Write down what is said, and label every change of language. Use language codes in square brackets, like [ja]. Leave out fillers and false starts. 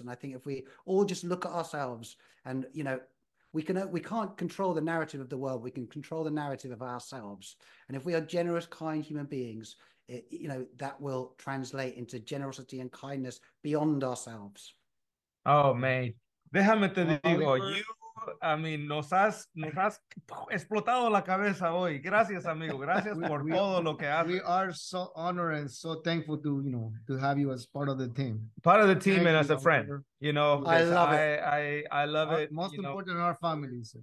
[en] And I think if we all just look at ourselves and, you know, we can't control the narrative of the world. We can control the narrative of ourselves. And if we are generous, kind human beings, you know, that will translate into generosity and kindness beyond ourselves. Oh, man. [es] Déjame te digo, nos has explotado la cabeza hoy. Gracias, amigo. Gracias lo que haces. [en] We are so honored and so thankful to, you know, to have you as part of the team. Part of the team and as a friend, you know. I love it. Most important are our families.